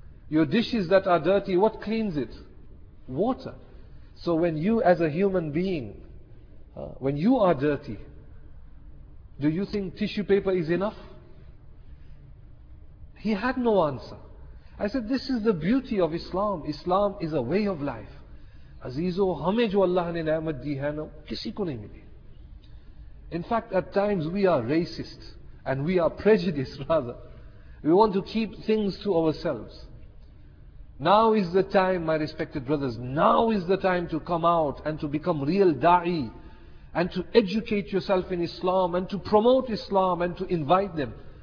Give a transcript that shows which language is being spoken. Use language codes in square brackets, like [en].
[en] Your dishes that are dirty, what cleans it? Water. So when you as a human being, when you are dirty, do you think tissue paper is enough? He had no answer. I said, this is the beauty of Islam. Islam is a way of life. [ur] عزیزو، ہمیں جو اللہ نے نعمت دی ہے نا، کسی کو نہیں ملی۔ [en] In fact, at times we are racist and we are prejudiced rather. We want to keep things to ourselves. Now is the time, my respected brothers, now is the time to come out and to become real da'i and to educate yourself in Islam and to promote Islam and to invite them.